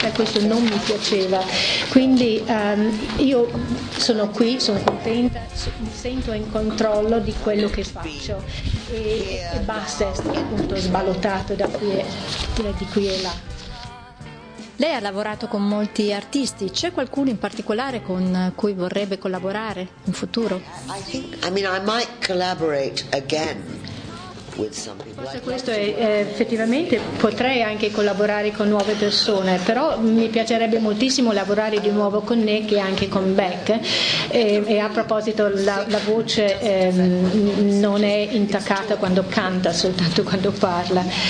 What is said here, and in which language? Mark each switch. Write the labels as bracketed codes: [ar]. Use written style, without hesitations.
[it] Questo non mi piaceva, quindi io sono qui, sono contenta, mi sento in controllo di quello che faccio e basta essere appunto sballottato da qui e di qui e là. Lei ha lavorato con molti artisti, c'è qualcuno in particolare con cui vorrebbe collaborare in futuro? [en] I might collaborate again. [it] Forse questo è effettivamente potrei anche collaborare con nuove persone, però mi piacerebbe moltissimo lavorare di nuovo con Nick e anche con Beck. E a proposito, la voce non è intaccata quando canta, soltanto quando parla.